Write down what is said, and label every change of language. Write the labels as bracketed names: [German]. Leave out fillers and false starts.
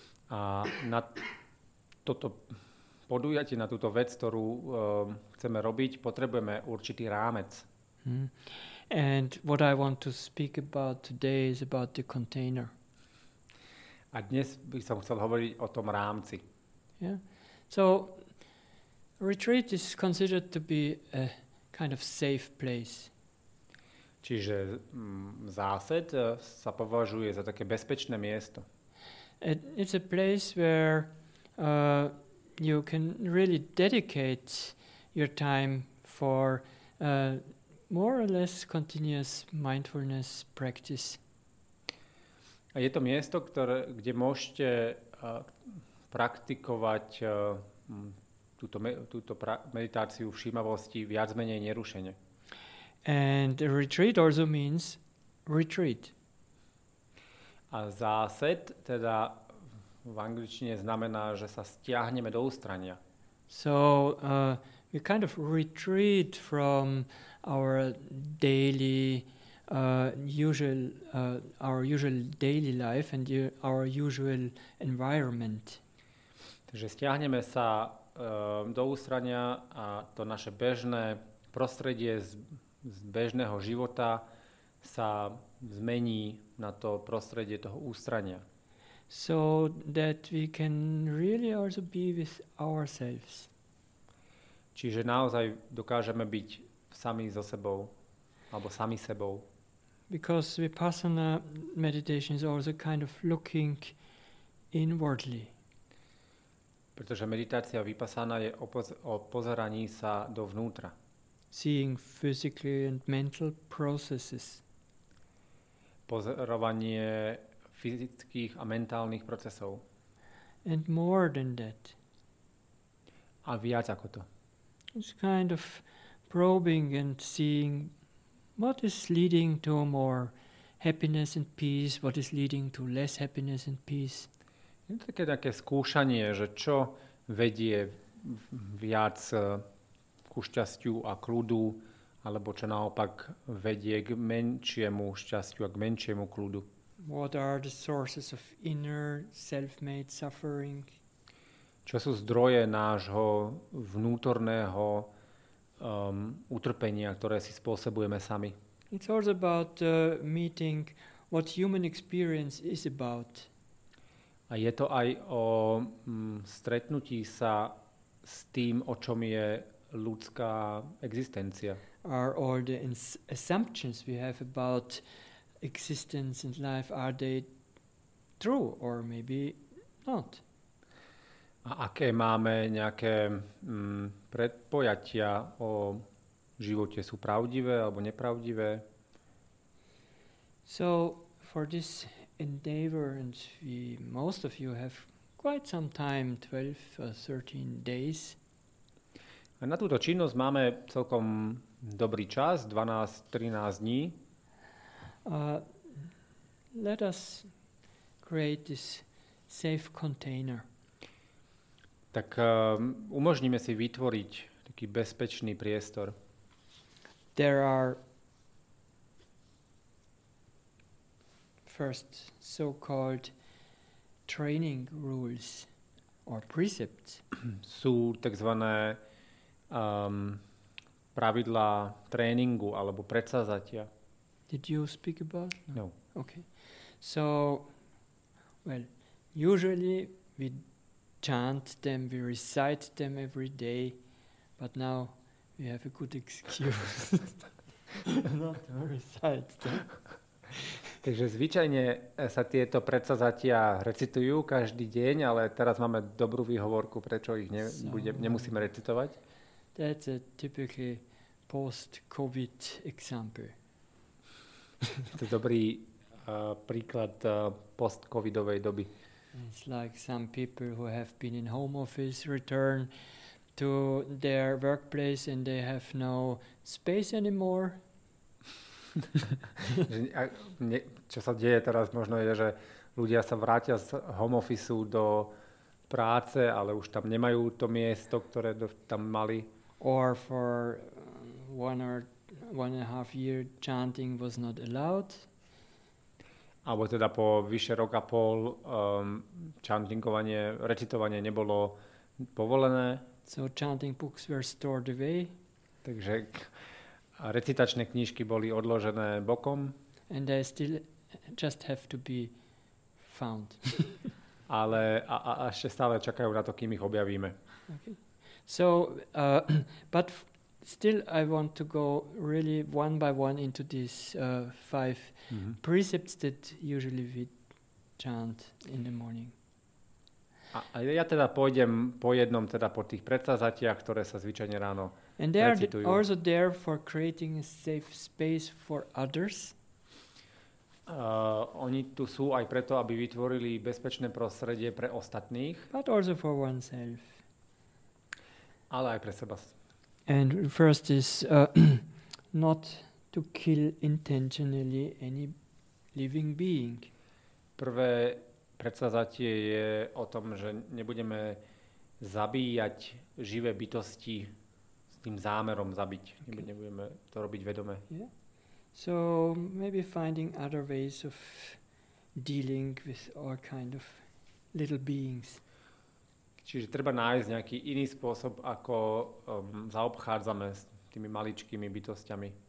[Slovak] A na toto podujatie, na túto vec, ktorú chceme robiť, potrebujeme určitý rámec. [English] And what I want to speak about today is about the container. [Slovak] A dnes by som chcel hovoriť o tom rámci. [English] Yeah. So retreat is considered to be a kind of safe place. [Slovak] Čiže zásad sa považuje za také bezpečné miesto. [English] It's a place where you can really dedicate your time for more or less continuous mindfulness practice. [Slovak] A je to miesto, ktoré, kde môžete praktikovať túto meditáciu všímavosti viac menej nerušene. [English] And retreat also means retreat. [Slovak] A zased teda v angličtine znamená, že sa stiahneme do ústrania. [English] So we kind of retreat from our daily usual daily life and our usual environment. [Slovak] Takže stiahneme sa do ústrania a to naše bežné prostredie z bežného života sa zmení na to prostredie toho ústrania. [English] So that we can really also be with ourselves. [Slovak] Čiže naozaj dokážeme byť sami so sebou alebo sami sebou. [English] Because vipassana meditation is also kind of looking inwardly. [Slovak] Pretože meditácia vipassana je o pozeraní sa dovnútra. [English] Seeing physical and mental processes. [Slovak] Pozorovanie fyzických a mentálnych procesov. [English] And more than that. [Slovak] A viac ako to. [English] It's kind of probing and seeing what is leading to more happiness and peace, what is leading to less happiness and peace. [Slovak] Je to také skúšanie, že čo vedie viac ku šťastiu a kľudu, alebo čo naopak vedie k menšiemu šťastiu a k menšiemu kľudu. [English] What are the sources of inner self-made suffering? [Slovak] Čo sú zdroje nášho vnútorného utrpenia, ktoré si spôsobujeme sami? [English] It's also about meeting what human experience is about. [Slovak] A je to aj o stretnutí sa s tým, o čom je ľudská existencia. [English] Are all the assumptions we have about existence and life, are they true or maybe not? [Slovak] A aké máme nejaké predpojatia o živote, sú pravdivé alebo nepravdivé? [English] So for this endeavor, and we, most of you have quite some time, 12 or 13 days. [Slovak] A na túto činnosť máme celkom dobrý čas, 12-13 dní. [English] Let us create this safe container. [Slovak] Tak umožníme si vytvoriť taký bezpečný priestor. [English] There are first so-called training rules or precepts. [Slovak] Sú takzvané pravidlá tréningu alebo predsazatia. [English] Did you speak about? No. Okay. So, well, usually we chant them, we recite them every day, but now we have a good excuse not to recite them. [Slovak] Takže zvyčajne sa tieto predsazatia recitujú každý deň, ale teraz máme dobrú výhovorku, prečo ich nemusíme recitovať. [English] That's a typically post-COVID example. [Slovak] To je dobrý príklad post-COVIDovej doby. [English] It's like some people who have been in home office return to their workplace and they have no space anymore. [Slovak] Čo sa deje teraz možno je, že ľudia sa vrátia z home officeu do práce, ale už tam nemajú to miesto, ktoré tam mali. [English] Or for one and a half year chanting was not allowed. [Slovak] Alebo teda po vyše rok a pol chantingovanie, recitovanie nebolo povolené. [English] So chanting books were stored away. [Slovak] Takže recitačné knižky boli odložené bokom. [English] And they still just have to be found. [Slovak] Ale a ešte stále čakajú na to, kým ich objavíme. [English] Okay. So, but still I want to go really one by one into these five precepts that usually we chant in the morning. [Slovak] A ja teda pôjdem po jednom, teda po tých predsavzatiach, ktoré sa zvyčajne ráno recitujú. [English] And also there for creating a safe space for others. [Slovak] Oni tu sú aj preto, aby vytvorili bezpečné prostredie pre ostatných. [English] But also for oneself. [Slovak] Ale aj pre seba. [English] And first is not to kill intentionally any living being. [Slovak] Prvé predsavzatie je o tom, že nebudeme zabíjať živé bytosti s tým zámerom zabiť. Okay. Nebudeme to robiť vedome. [English] Yeah. So maybe finding other ways of dealing with all kind of little beings. [Slovak] Čiže treba nájsť nejaký iný spôsob, ako zaobchádzame s tými maličkými bytostiami.